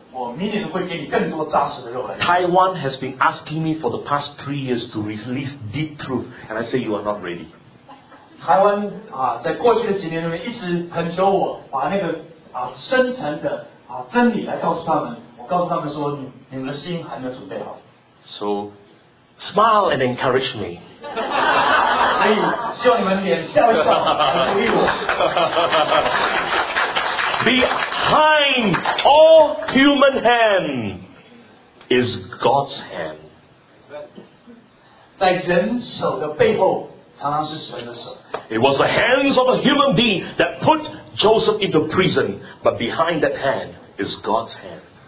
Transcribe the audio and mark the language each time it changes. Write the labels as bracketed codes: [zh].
[zh] 我要告诉你真实的认真，如果你真的能够承受这样的硬的扎实的肉，我明年会给你更多扎实的肉来。 [en] Taiwan has been asking me for the past 3 years to release deep truth, and I say you are not ready. [zh] 台湾在过去的几年里面一直恳求我把那个深层的真理来告诉他们，我告诉他们说你们的心还没有准备好。 [en] So. Smile and encourage me. [zh] 所以希望你们脸笑一笑，鼓励我。 [en] Behind all human hand is God's hand. [zh] 在人手的背后，常常是神的手。 [en] It was the hands of a human being that put Joseph into prison, but behind that hand is God's hand.